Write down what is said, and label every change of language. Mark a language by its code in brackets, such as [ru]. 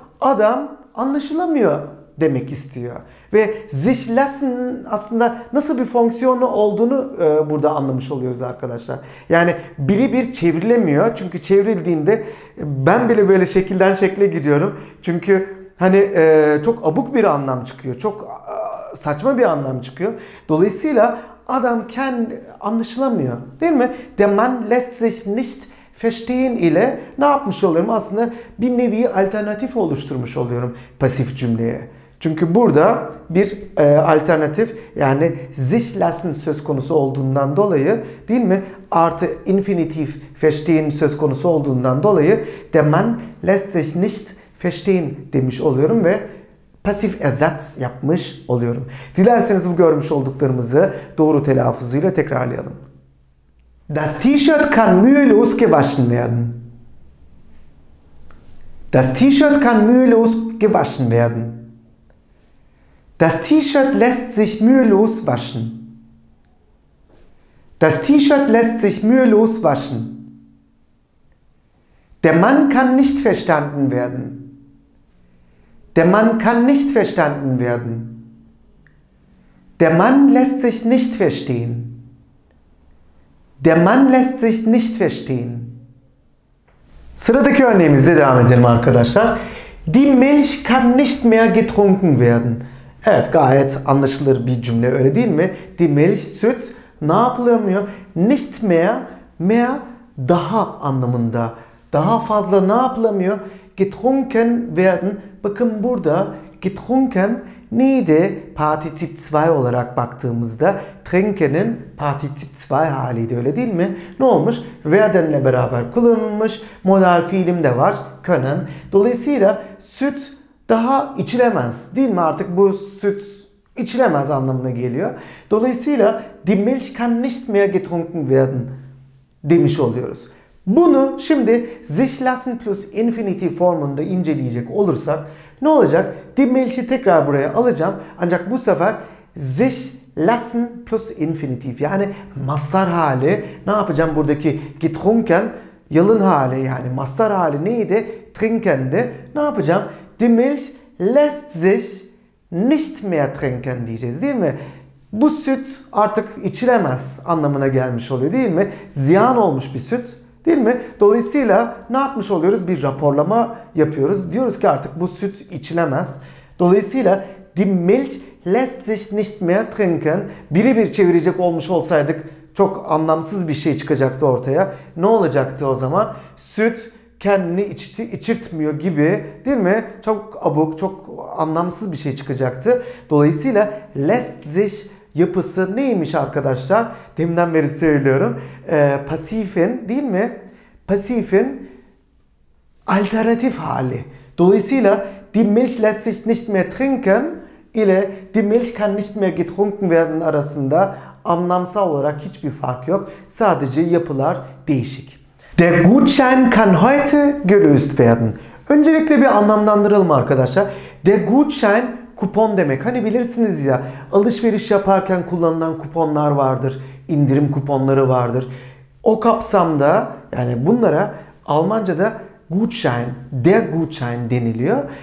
[tr] Adam anlaşılamıyor demek istiyor. Ve sich lassen aslında nasıl bir fonksiyonu olduğunu burada anlamış oluyoruz arkadaşlar. Yani birebir çevrilemiyor. Çünkü çevrildiğinde ben bile böyle şekilden şekle giriyorum. Çünkü hani çok abuk bir anlam çıkıyor. Çok saçma bir anlam çıkıyor. Dolayısıyla adam kendi anlaşılamıyor. Değil mi? [de] Der Mann lässt sich nicht verstehen [tr] ile ne yapmış oluyorum? Aslında bir nevi alternatif oluşturmuş oluyorum pasif cümleye. Çünkü burada bir alternatif, yani sich lassen söz konusu olduğundan dolayı değil mi? Artı infinitif verstehen söz konusu olduğundan dolayı [de] der Mann lässt sich nicht verstehen [tr] demiş oluyorum ve pasif ersatz yapmış oluyorum. Dilerseniz bu görmüş olduklarımızı doğru telaffuzuyla tekrarlayalım. [de] Das T-shirt kann mühelos gewaschen werden. Das T-shirt kann mühelos gewaschen werden. Das T-Shirt lässt sich mühelos waschen. Das T-Shirt lässt sich mühelos waschen. Der Mann kann nicht verstanden werden. Der Mann kann nicht verstanden werden. Der Mann lässt sich nicht verstehen. Der Mann lässt sich nicht verstehen. [tr] Sıradaki örneğimizle devam edelim arkadaşlar. [de] Die Milch kann nicht mehr getrunken werden. [tr] Evet, gayet anlaşılır bir cümle, öyle değil mi? Die Milch, süt ne yapılamıyor? Nicht mehr, mehr daha anlamında Daha fazla ne yapılamıyor? [de] Getrunken werden. [tr] Bakın burada getrunken neydi? Partizip 2 olarak baktığımızda trinken'in partizip 2 haliydi, öyle değil mi? Ne olmuş? Werden'le beraber kullanılmış. Modal fiilim de var. Können. Dolayısıyla süt daha içilemez, değil mi? Artık bu süt içilemez anlamına geliyor. Dolayısıyla [de] die Milch kann nicht mehr getrunken werden [tr] demiş oluyoruz. Bunu şimdi sich lassen plus infinitiv formunda inceleyecek olursak ne olacak? Die Milch'i tekrar buraya alacağım. Ancak bu sefer sich lassen plus infinitiv, yani mazhar hali. Ne yapacağım buradaki getrunken? Yalın hali, yani mazhar hali neydi? Trinken'di. Ne yapacağım? [de] Die Milch lässt sich nicht mehr trinken [tr] diyeceğiz, değil mi? Bu süt artık içilemez anlamına gelmiş oluyor, değil mi? Ziyan olmuş bir süt, değil mi? Dolayısıyla ne yapmış oluyoruz? Bir raporlama yapıyoruz. Diyoruz ki artık bu süt içilemez. [de] Dolayısıyla die Milch lässt sich nicht mehr trinken. [tr] Birebir çevirecek olmuş olsaydık çok anlamsız bir şey çıkacaktı ortaya. Ne olacaktı o zaman? Süt kendini içirtmiyor gibi, değil mi? Çok abuk, çok anlamsız bir şey çıkacaktı. Dolayısıyla lässt sich yapısı neymiş arkadaşlar? Deminden beri söylüyorum. Pasifin, değil mi? Pasifin alternatif hali. [de] Dolayısıyla die Milch lässt sich nicht mehr trinken [tr] ile [de] die Milch kann nicht mehr getrunken werden [tr] arasında anlamsal olarak hiçbir fark yok. Sadece yapılar değişik. [de] Der Gutschein kann heute gelöst werden. [tr] Öncelikle bir anlamlandıralım arkadaşlar. Der Gutschein kupon demek. Hani bilirsiniz ya, alışveriş yaparken kullanılan kuponlar vardır. İndirim kuponları vardır. O kapsamda, yani bunlara Almanca'da Gutschein, der Gutschein deniliyor.